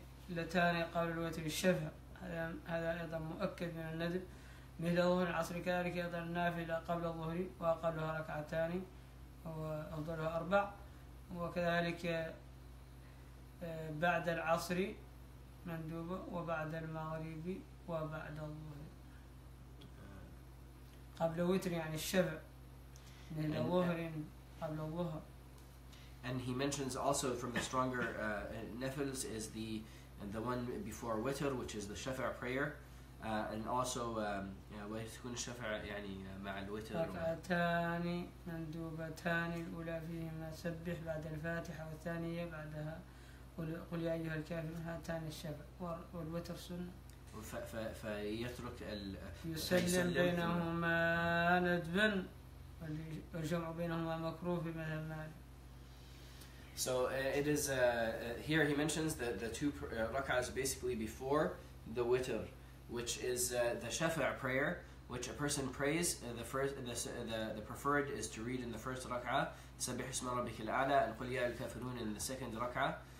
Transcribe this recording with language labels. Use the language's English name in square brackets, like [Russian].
[Arabic] اللتان قبل الوتر الشفع هذا أيضا مؤكد من الندب مثل ظهر العصر كذلك أيضا النافلة قبل الظهر وأقلها ركعتان وأفضلها أربع وكذلك بعد العصر مندوبة وبعد المغرب وبعد الظهر قبل الوتر يعني الشفع مثل ظهر قبل الظهر. [English] And he mentions also from the stronger nafils is the and the one before witr, which is the shafa' prayer, and also ويكون الشفع يعني مع الوتر. [Arabic] ركعتان مندوبتان الأولى فيهما سبح بعد الفاتحة والثانية بعدها قل يا أيها الكافرون هاتان الشفع والوتر سنة. فيترك ال. يسلم بينهما ندبا والجمع بينهما مكروه في مذهب مالك. [English] So it is here he mentions the two rak'ahs basically before the witr, which is the shafa' prayer, which a person prays the first the preferred is to read in the first rak'ah subbih isma rabbikal a'la and qul ya ayyuhal kafirun in the second rak'ah,